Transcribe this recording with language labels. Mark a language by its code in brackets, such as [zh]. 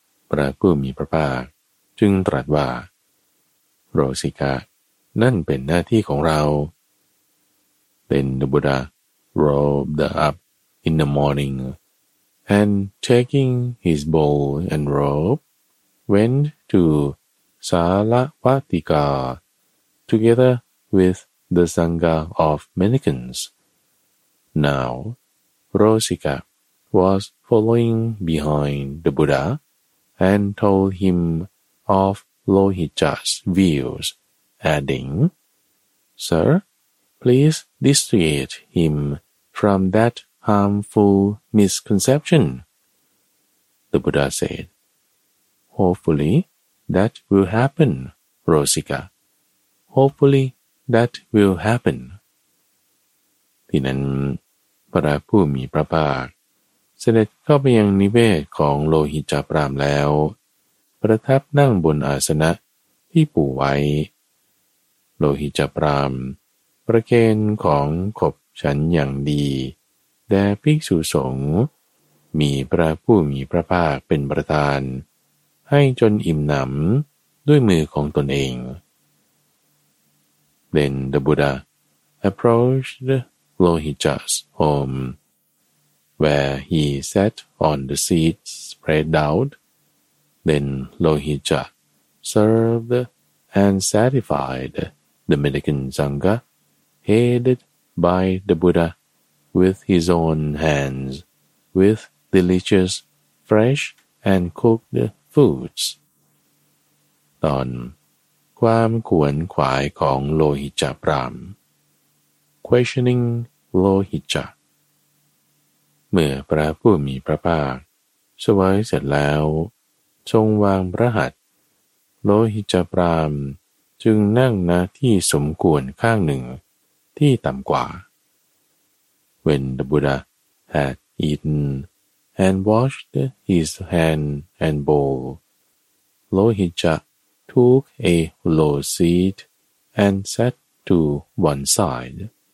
[th] พระผู้มีพระภาคจึงตรัสว่าโรสิกะนั่นเป็นหน้าที่ของเราเป็นบุรุษ [en] robed up in the morning and taking his bowl and robe went toสาละวัติกา together with the Sangha of mendicants. Now, Rosika was following behind the Buddha and told him of Lohicca's views, adding, Sir, please dissuade him from that harmful misconception. The Buddha said, Hopefully,That will happen, Rosika. Hopefully, that will happen. [th] ที่นั้นพระผู้มีพระภาคเสด็จเข้าไปยังนิเวศของโลหิตจพรามแล้วประทับนั่งบนอาสนะที่ปูไว้ โลหิตจพรามประเคนของขบฉันอย่างดีแด่ภิกษุสงฆ์มีพระผู้มีพระภาคเป็นประธานให้จนอิ่มหนำด้วยมือของตนเอง [en] Then the Buddha approached Lohicca's home, where he sat on the seats spread out. Then Lohicca served and satisfied the mendicant Sangha, headed by the Buddha with his own hands, with delicious, fresh and cooked food [th] ตอนความขวนขวายของโลหิตจพราหมณ์ [en] questioning Lohicca [th] เมื่อพระผู้มีพระภาคสวายเสร็จแล้วทรงวางพระหัตถ์โลหิตปรามจึงนั่งณที่สมควรข้างหนึ่งที่ต่ำกว่า [en] When the Buddha had eaten and washed his hand and bowl, Lohicca took a low seat and sat to one side.